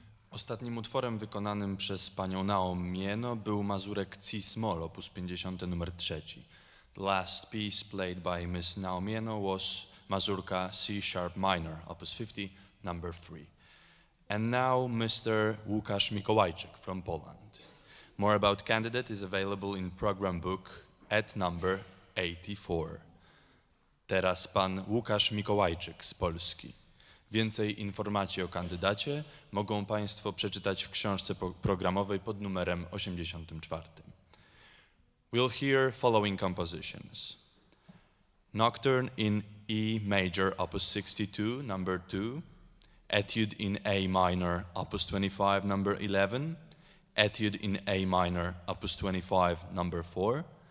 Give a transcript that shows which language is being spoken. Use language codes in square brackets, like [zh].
[pl] Ostatnim utworem wykonanym przez panią Naomi Mieno był mazurek Cis-moll, opus 50, numer 3. [en] The last piece played by Miss Naomi Mieno was mazurka C-sharp minor, opus 50, number 3. And now Mr. Łukasz Mikołajczyk from Poland. More about candidate is available in program book at number 84. [pl] Teraz pan Łukasz Mikołajczyk z Polski. Więcej informacji o kandydacie mogą państwo przeczytać w książce programowej pod numerem 84. [en] We'll hear following compositions. Nocturne in E major, opus 62, number 2. Etude in A minor, opus 25, number 11. Etude in A minor, opus 25, number 4.